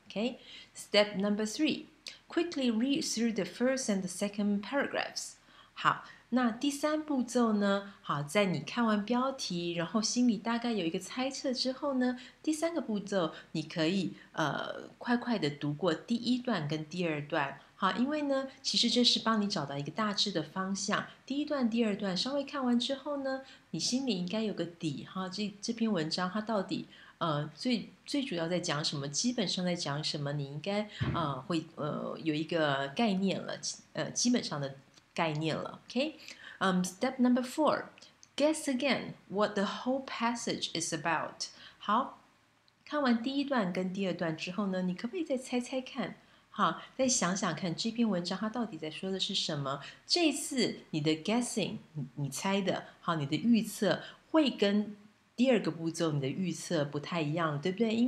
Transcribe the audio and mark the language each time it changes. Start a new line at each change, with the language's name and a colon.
English: OK, step number three, quickly read through the first and the second paragraphs。
Chinese: 好，那第三步骤呢，好，在你看完标题然后心里大概有一个猜测之后呢，第三个步骤你可以快快的读过第一段跟第二段。好，因为呢其实这是帮你找到一个大致的方向，第一段第二段稍微看完之后呢，你心里应该有个底哈，这篇文章它到底最主要在讲什么，基本上在讲什么，你应该会有一个概念了，基本上的概念了。
English: Okay, step number four, guess again what the whole passage is about.
Chinese: 好，看完第一段跟第二段之后呢，你可不可以再猜猜看？好，再想想看这篇文章它到底在说的是什么？这次你的 guessing， 你猜的，好，你的预测会跟第二个步骤你的预测不太一样，对不对？